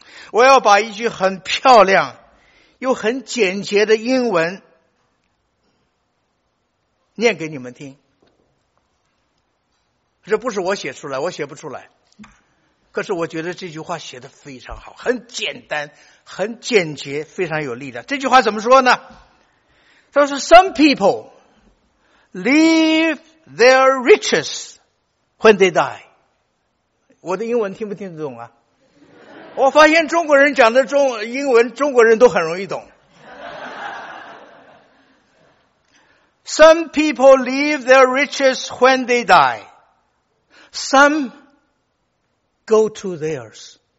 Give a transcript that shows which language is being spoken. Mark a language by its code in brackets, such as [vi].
[zh] 我要把一句很漂亮又很简洁的英文念给你们听，这不是我写出来，我写不出来，可是我觉得这句话写得非常好，很简单，很简洁，非常有力量。这句话怎么说呢？他说 [en] Some people leave their riches when they die。 [zh] 我的英文听不听得懂啊？我发现中国人讲的英文中国人都很容易懂。 [en] Some people leave their riches when they dieSome go to theirs。